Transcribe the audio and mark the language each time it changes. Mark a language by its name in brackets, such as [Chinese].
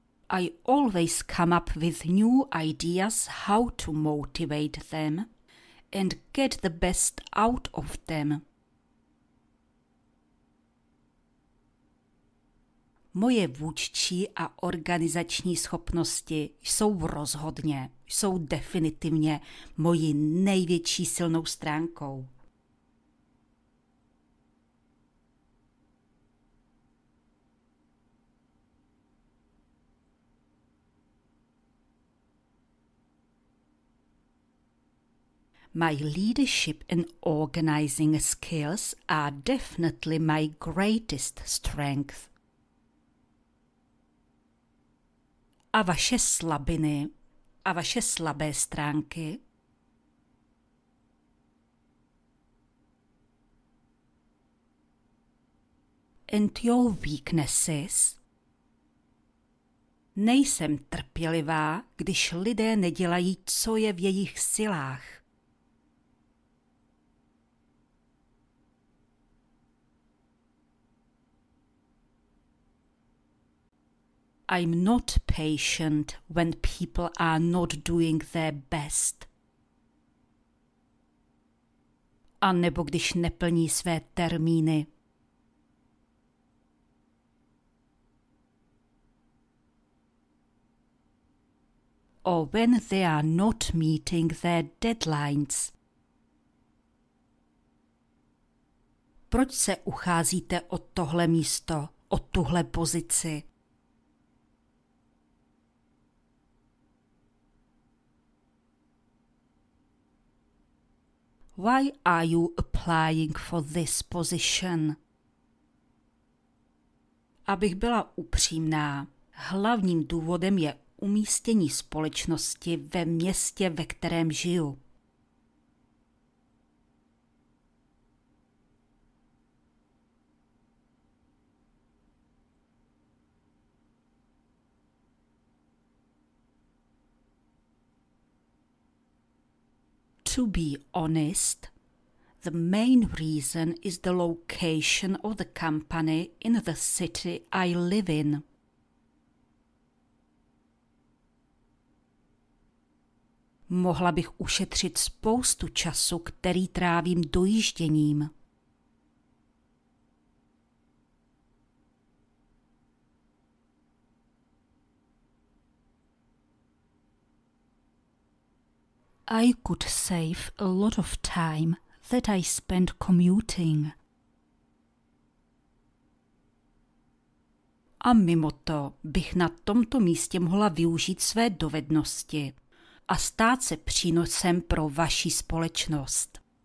[English] I always come up with new ideas how to motivate them and get the best out of them. [Czech] Moje vůdčí a organizační schopnosti jsou rozhodně, jsou definitivně moji největší silnou stránkou. [English] My leadership and organizing skills are definitely my greatest strength. [Czech] A vaše slabiny, a vaše slabé stránky. [English] And your weaknesses. [Czech] Nejsem trpělivá, když lidé nedělají, co je v jejich silách. [English] I'm not patient when people are not doing their best. [Czech] A nebo když neplní své termíny. [English] Or when they are not meeting their deadlines. [Czech] Proč se ucházíte o tohle místo, o tuhle pozici? [English] Why are you applying for this position? [Czech] Abych byla upřímná, hlavním důvodem je umístění společnosti ve městě, ve kterém žiju. [English] To be honest, the main reason is the location of the company in the city I live in. [Czech] Mohla bych ušetřit spoustu času, který trávím dojížděním. [English] I could save a lot of time that I spend commuting. [Czech] A mimo to bych na tomto místě mohla využít své dovednosti a stát se přínosem pro vaši společnost.